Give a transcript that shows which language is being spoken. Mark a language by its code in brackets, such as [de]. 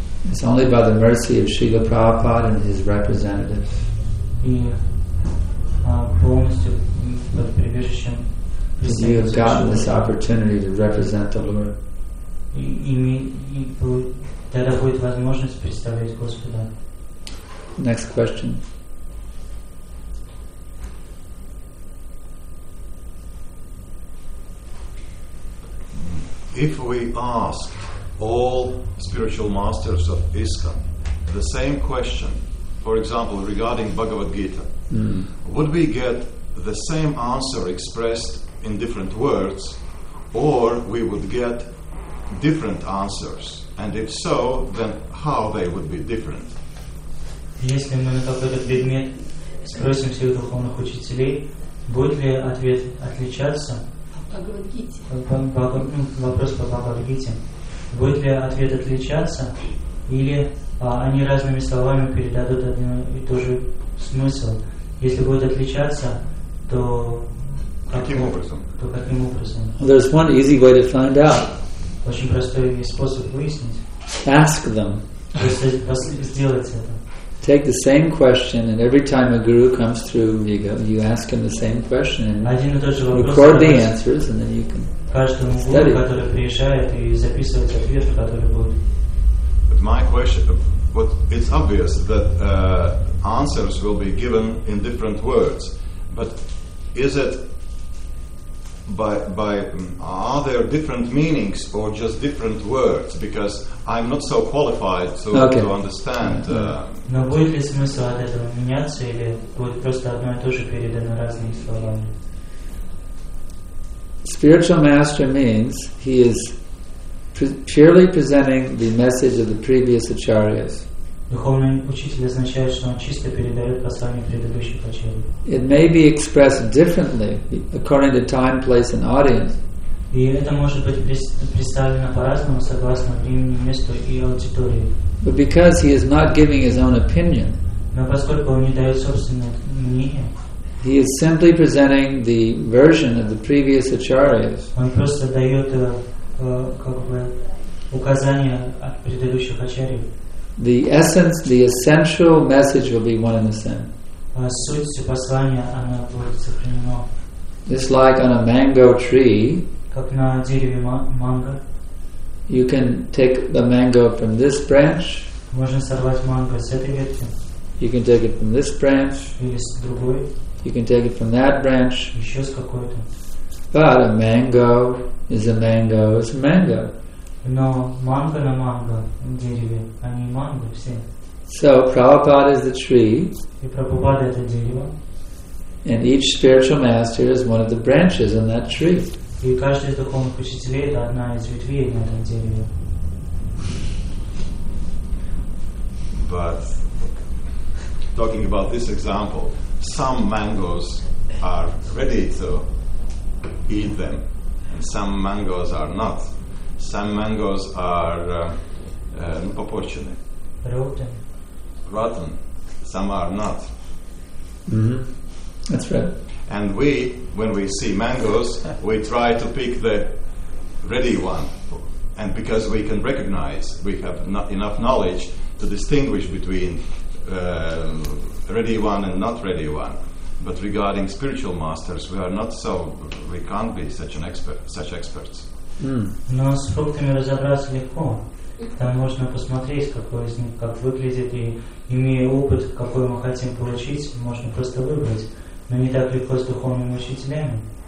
[en] It's only by the mercy of Srila Prabhupada and his representatives. [ru] И полностью под прибежищем. [en] Because you have gotten this opportunity to represent the Lord. [ru] И тогда будет возможность представлять Господа. [en] Next question. If we ask all spiritual masters of ISKCON the same question, for example, regarding Bhagavad Gita, would we get the same answer expressed in different words, or we would get different answers? And if so, then how they would be different? [ru] Если мы на какой-то предмет спросим всех духовных учителей, будет ли ответ отличаться? Вопрос по Бхагавад-гите. Будет ли ответ отличаться, или они разными словами передадут один и тот же смысл? Если будет отличаться, то каким образом? То каким образом? [en] Well, there's one easy way to find out. [ru] Очень простой способ выяснить. [en] Ask them. [ru] Сделать это. [en] Take the same question, and every time a guru comes through, you ask him the same question, and record the answers, and then you can study. But my question, but it's obvious that answers will be given in different words, but is it by are there different meanings or just different words? Because I'm not so qualified to understand. [ru] Но будет ли смысл от этого меняться или будет просто одно и то же передано разными словами? [en] Spiritual master means he is purely presenting the message of the previous acharyas. [ru] Духовный учитель означает, что он чисто передает послание предыдущих ачарий. [en] It may be expressed differently according to time, place, and audience. [ru] И это может быть представлено по-разному согласно времени, месту и аудитории. [en] But because he is not giving his own opinion, [ru] но поскольку он не дает собственное мнение, [en] he is simply presenting the version of the previous acharyas. [ru] Он просто дает как бы указания от предыдущих ачарий. [en] The essence, the essential message will be one and the same. [ru] Суть послания, она будет сохранена. [en] Just like on a mango tree, [ru] как на дереве манго, [en] you can take the mango from this branch. [ru] Можно сорвать манго с этой ветки. [en] You can take it from this branch. [ru] Или с другой. [en] You can take it from that branch. [ru] Еще с какой-то. [en] But a mango is a mango is a mango. [ru] Но манго на манго дереве, а не манго все. [en] So Prabhupada is the tree. [ru] И Прабхупада это дерево. [en] And each spiritual master is one of the branches on that tree. [ru] И каждый из духовных учителей это одна из ветвей на этом дереве. [en] But talking about this example, some mangoes are ready to eat them, and some mangoes are not. Some mangoes are unopportune. Rotten. Some are not. That's right. And we, when we see mangoes, we try to pick the ready one. And because we can recognize, we have not enough knowledge to distinguish between ready one and not ready one. But regarding spiritual masters, we are not so, we can't be such experts. [ru] Но с фруктами разобраться легко. Там можно посмотреть, какой из них как выглядит, и имея опыт, какой мы хотим получить, можно просто выбрать. Но не так легко с духовными учителями.